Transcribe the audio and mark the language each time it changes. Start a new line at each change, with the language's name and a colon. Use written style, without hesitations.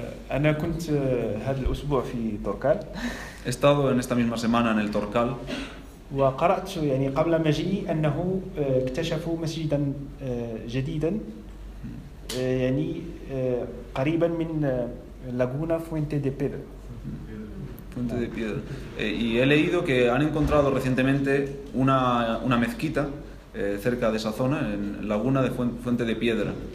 Arabic: أنا كنت هذا الأسبوع في توركال.
Spanish: He estado en esta misma semana en el Torcal.
Arabic: وقرأت يعني قبل مجيئي أنه اكتشفوا مسجدا جديدا يعني قريبا من لاغونا فوينتي دي بيدرو.
Spanish: Fuente de piedra. Y he leído que han encontrado recientemente una mezquita cerca de esa zona, en Laguna de Fuente de Piedra.